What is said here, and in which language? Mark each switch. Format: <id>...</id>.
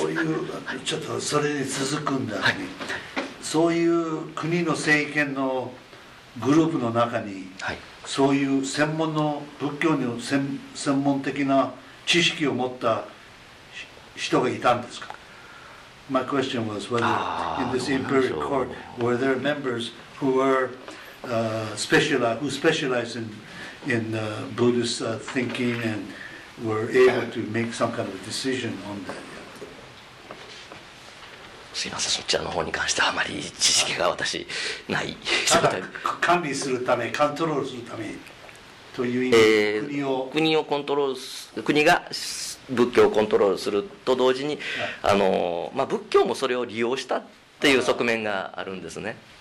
<ja>そういう、はい、ちょっとそれに続くんだよね、はい、そういう国の政権のグループの中に、はい、そういう専門の仏教の専門的な知識を持った人がいたんですか。</ja> <en>My question was whether in this imperial court were there members who were specialized in Buddhist thinking and were able to make some kind of decision on that.</en> <ja>すいません、そちらの方に関してはあまり知識が私ない。ただ管理するため、コントロールするためという意味、国をコントロールする、国が仏教をコントロールすると同時に、まあ、仏教もそれを利用したっていう側面があるんですね。</ja>